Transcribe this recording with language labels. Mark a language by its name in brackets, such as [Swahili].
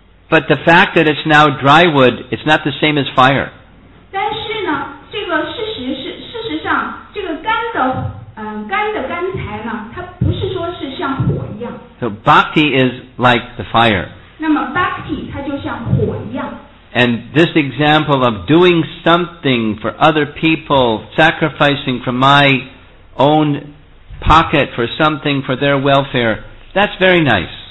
[English] But the fact that it's now dry wood, it's not the same as fire. [Chinese] 但是呢，这个事实上，这个干的干材呢，它不是说是像火一样。 [English] So bhakti is like the fire. [Chinese] 那么 bhakti 它就像火一样。 [English] And this example of doing something for other people, sacrificing from my own pocket for something for their welfare, that's very nice.